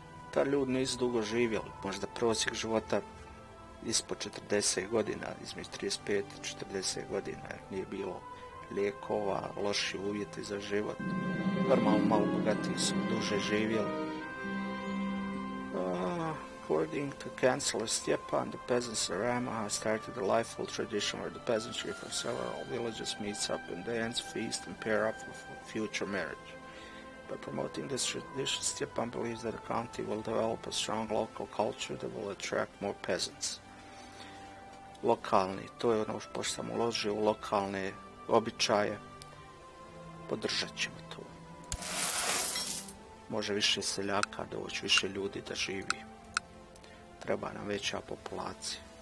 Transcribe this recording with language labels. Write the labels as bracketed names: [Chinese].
[Croatian] Ta ljudi nisu dugo živjeli. Možda prosjek života ispod 40 godina, između 35 i 40 godina. Nije bilo lijekova, loši uvjeti za život. Normalno malo bogatiji su duže živjeli. [English] According to Chancellor Stjepan, the peasants of Rama started a lifelong tradition where the peasantry from several villages meets up and dance, feast, and pair up for future marriage. By promoting this tradition, Stjepan believes that the county will develop a strong local culture that will attract more peasants. [Croatian] Lokalni, to je ono što sam uložio u lokalne običaje. Podržat ćemo to. Može više seljaka doći, više ljudi da živi. Treba nam veća populacija.